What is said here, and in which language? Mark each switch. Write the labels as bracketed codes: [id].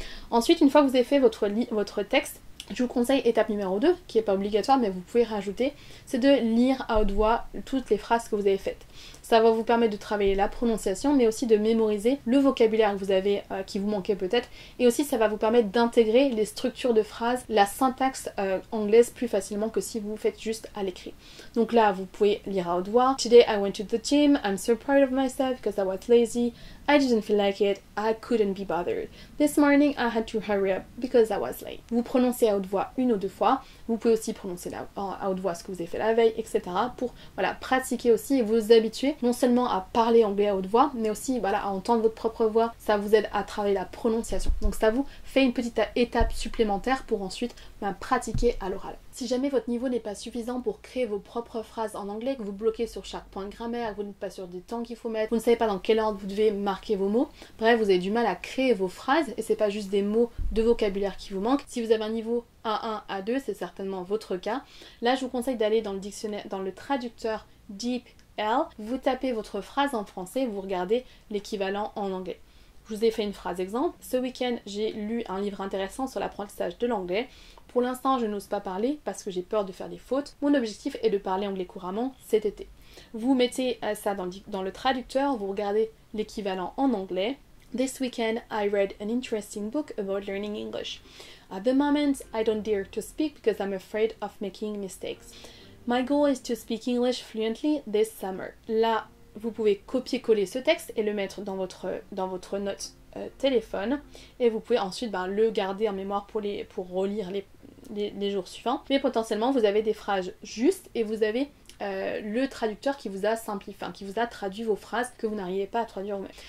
[fr] Ensuite, une fois que vous avez fait votre texte, je vous conseille étape numéro 2, qui n'est pas obligatoire mais vous pouvez rajouter, c'est de lire à haute voix toutes les phrases que vous avez faites. Ça va vous permettre de travailler la prononciation mais aussi de mémoriser le vocabulaire que vous avez qui vous manquait peut-être, et aussi ça va vous permettre d'intégrer les structures de phrases, la syntaxe anglaise plus facilement que si vous faites juste à l'écrit. Donc là vous pouvez lire à haute voix. [en] Today I went to the gym, I'm so proud of myself because I was lazy, I didn't feel like it, I couldn't be bothered. This morning I had to hurry up because I was late. [fr] Vous prononcez à haute voix une ou deux fois, vous pouvez aussi prononcer à haute voix ce que vous avez fait la veille, etc. pour voilà, pratiquer aussi et vous habituer non seulement à parler anglais à haute voix, mais aussi voilà, à entendre votre propre voix, ça vous aide à travailler la prononciation. Donc ça vous fait une petite étape supplémentaire pour ensuite bah, pratiquer à l'oral. Si jamais votre niveau n'est pas suffisant pour créer vos propres phrases en anglais, que vous bloquez sur chaque point de grammaire, que vous n'êtes pas sûr des temps qu'il faut mettre, vous ne savez pas dans quel ordre vous devez marquer vos mots, bref, vous avez du mal à créer vos phrases et c'est pas juste des mots de vocabulaire qui vous manquent. Si vous avez un niveau A1, A2, c'est certainement votre cas. Là, je vous conseille d'aller dans le dictionnaire, dans le traducteur DeepL, vous tapez votre phrase en français et vous regardez l'équivalent en anglais. Je vous ai fait une phrase exemple. Ce week-end, j'ai lu un livre intéressant sur l'apprentissage de l'anglais. Pour l'instant, je n'ose pas parler parce que j'ai peur de faire des fautes. Mon objectif est de parler anglais couramment cet été. Vous mettez ça dans le traducteur, vous regardez l'équivalent en anglais. [en] This weekend, I read an interesting book about learning English. At the moment, I don't dare to speak because I'm afraid of making mistakes. My goal is to speak English fluently this summer. [fr] Là, vous pouvez copier-coller ce texte et le mettre dans votre note téléphone. Et vous pouvez ensuite ben, le garder en mémoire pour relire les jours suivants. Mais potentiellement, vous avez des phrases justes et vous avez le traducteur qui vous a simplifié, qui vous a traduit vos phrases que vous n'arriviez pas à traduire vous-même.